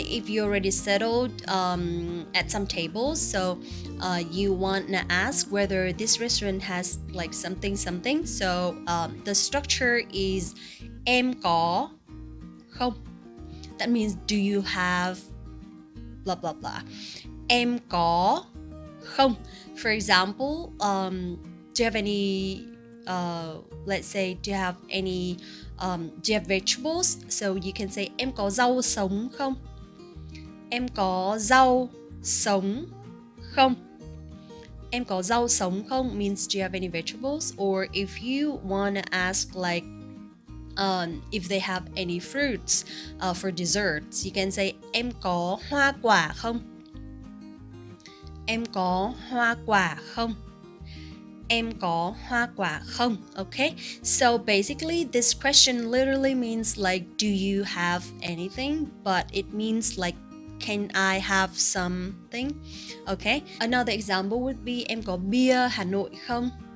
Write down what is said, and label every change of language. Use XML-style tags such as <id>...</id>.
<en>If you already settled at some tables, so you want to ask whether this restaurant has like something something. So the structure is</en> <vi>em có không.</vi> <en>That means do you have blah blah blah.</en> <vi>Em có không?</vi> <en>For example, do you have any let's say, do you have any do you have vegetables?</en> <vi>So you can say em có rau sống không? Em có rau sống không? Em có rau sống không</vi> <en>means do you have any vegetables? Or if you want to ask like if they have any fruits for desserts, you can say</en> <vi>em có hoa quả không? Em có hoa quả không? Em có hoa quả không?</vi> <en>Okay, so basically this question literally means like, do you have anything? But it means like, Can I have something? Okay. Another example would be</en> <vi>em có bia Hà Nội không?</vi>